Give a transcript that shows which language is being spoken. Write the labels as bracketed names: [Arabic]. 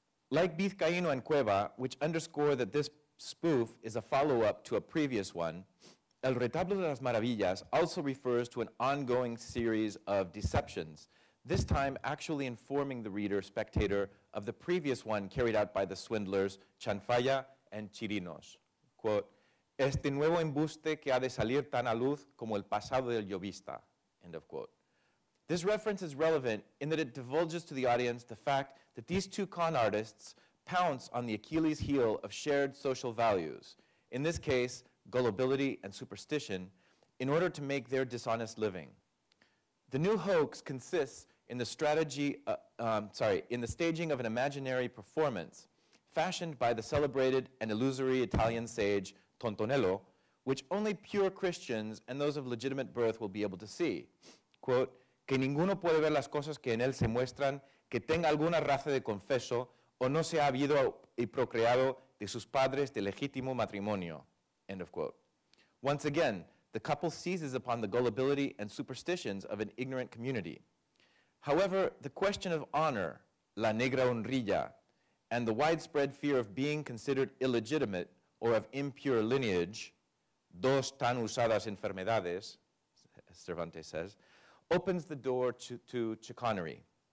[English] Like Vizcaíno and Cueva, which underscore that this spoof is a follow-up to a previous one, El Retablo de las Maravillas also refers to an ongoing series of deceptions, this time actually informing the reader, spectator, of the previous one carried out by the swindlers, Chanfalla and Chirinos. [Spanish] Quote, este nuevo embuste que ha de salir tan a luz como el pasado del llovista, end of quote. [English] This reference is relevant in that it divulges to the audience the fact that these two con artists pounce on the Achilles heel of shared social values, in this case, gullibility and superstition, in order to make their dishonest living. The new hoax consists in the strategy, in the staging of an imaginary performance fashioned by the celebrated and illusory Italian sage Tontonello, which only pure Christians and those of legitimate birth will be able to see. [Spanish] Quote, que ninguno puede ver las cosas que en él se muestran, que tenga alguna raza de confeso, o no se ha habido y procreado de sus padres de legítimo matrimonio, end of quote. [English] Once again, the couple seizes upon the gullibility and superstitions of an ignorant community. However, the question of honor, la negra honrilla, and the widespread fear of being considered illegitimate or of impure lineage, dos tan usadas enfermedades, as Cervantes says, opens the door to chicanery.